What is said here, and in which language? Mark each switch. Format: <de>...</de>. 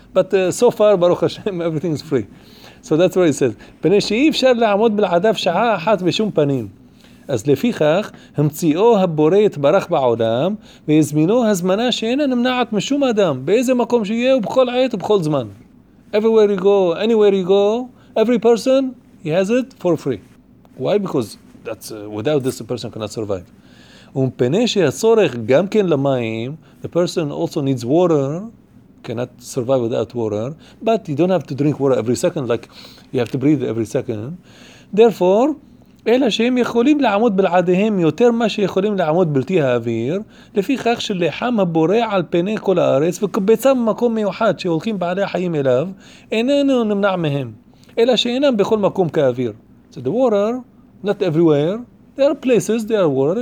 <en>But so far, Baruch Hashem, everything is free. So that's what he says.</en> <he>פני שאיף שר לעמוד בלעדיו שעה אחת בשום פנים. אז לפי כך, המציאו הבורא יתברך בעולם, ויזמינו הזמנה שאינה נמנעת משום אדם, באיזה מקום שיהיה ובכל עת ובכל זמן.</he> <en>Everywhere you go, anywhere you go, every person, he has it for free. Why? Because that's without this, a person cannot survive.</en> <he>ומפני שהצורך גם כן למים,</he> <en>the person also needs water, cannot survive without water, but you don't have to drink water every second, like you have to breathe every second.</en> <he>Therefore, אלא שהם יכולים לעמוד בלעדיהם יותר מה שיכולים לעמוד בלתי האוויר, לפי כך שלחם הבורא על פני כל הארץ, וקבצה במקום מיוחד שהולכים בעלי החיים אליו, איננו נמנע מהם. אלא שאינם בכל מקום כאוויר.</he> <en>So the water, not everywhere. There are places, there are water.</en>